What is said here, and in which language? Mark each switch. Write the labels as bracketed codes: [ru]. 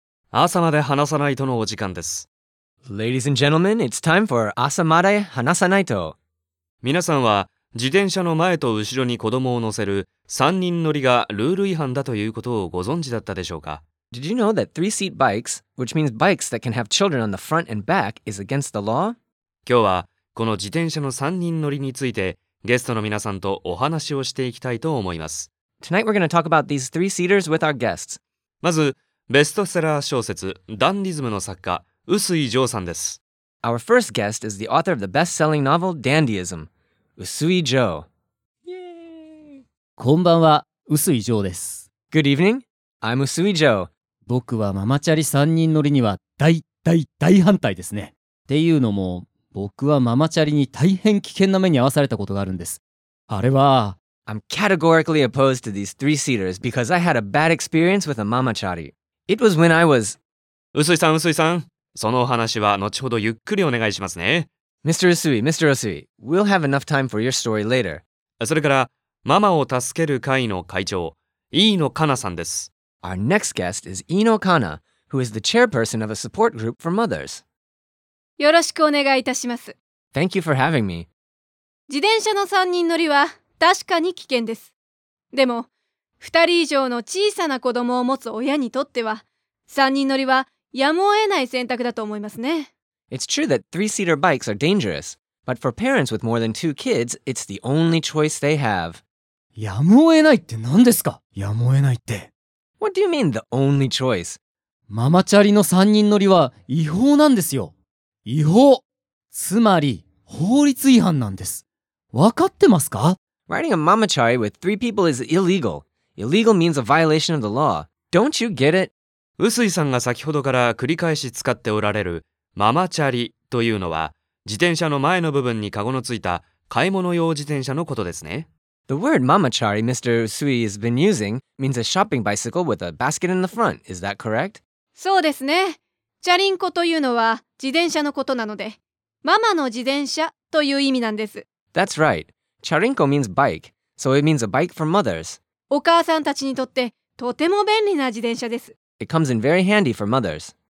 [ja] 朝まで話さないとのお時間です。 [en] Ladies and gentlemen, it's time for 朝まで話さないと。 [ja] 皆さんは自転車の前と後ろに子供を乗せる3人乗りがルール違反だということをご存知だったでしょうか。 [en] Did you know that three seat bikes, which means bikes that can have children on the front and back, is against the law? [ja] 今日はこの自転車の3人乗りについてゲストの皆さんとお話をしていきたいと思います。 [en] Tonight we're going to talk about these three seaters with our guests. [ja] まず、ベストセラー小説、ダンディズムの作家、臼井丈さんです。 [en] Our first guest is the author of the best-selling novel, Dandyism, 臼井丈。 [ja] こんばんは、臼井丈です。 [en] Good evening, I'm 臼井丈。 [ja] 僕はママチャリ三人乗りには大、大、大反対ですね。っていうのも、僕はママチャリに大変危険な目に遭わされたことがあるんです。あれは、 [en] I'm categorically opposed to these three-seaters because I had a bad experience with a ママチャリ。 It was when I was… [ja] 臼井さん、臼井さん、そのお話は後ほどゆっくりお願いしますね。 [en] Mr. 臼井、Mr. 臼井、We'll have enough time for your story later。 [ja] それから、ママを助ける会の会長、飯野かなさんです。 [en] Our next guest is Ino Kana, who is the chairperson of a support group for mothers. [ja] よろしくお願いいたします。 [en] Thank you for having me. [ja] 自転車の3人乗りは確かに危険です。でも、2人以上の小さな子供を持つ親にとっては、3人乗りはやむを得ない選択だと思いますね。 [en] It's true that three-seater bikes are dangerous, but for parents with more than two kids, it's the only choice they have. [ja] やむを得ないって何ですか? やむを得ないって。 [en] What do you mean, the only choice? [ja] ママチャリの3人乗りは違法なんですよ。違法。つまり、法律違反なんです。わかってますか? [en] Riding a ママチャリ with three people is illegal. Illegal means a violation of the law. Don't you get it? [ja] 臼井さんが先ほどから繰り返し使っておられるママチャリというのは、自転車の前の部分にカゴのついた買い物用自転車のことですね。 [en] The word mama chari Mr. Sui has been using means a shopping bicycle with a basket in the front, is that correct? [ja] そうですね。チャリンコというのは自転車のことなので、ママの自転車という意味なんです。 [en] That's right. チャリンコ means bike, so it means a bike for mothers. [ja] お母さんたちにとってとても便利な自転車です。 [en] It comes in very handy for mothers.